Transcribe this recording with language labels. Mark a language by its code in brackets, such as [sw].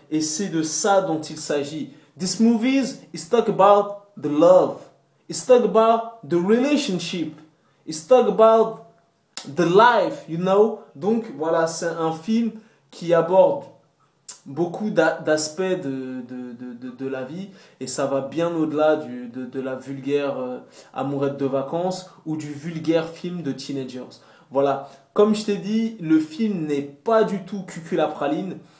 [fr] Et c'est de ça dont il s'agit. [en] This movie is talk about the love. It's talk about the relationship. It's talk about the life, you know. [fr] Donc voilà, c'est un film qui aborde beaucoup d'aspects de la vie et ça va bien au-delà de la vulgaire amourette de vacances ou du vulgaire film de teenagers. Voilà, comme je t'ai dit, le film n'est pas du tout cuculapraline.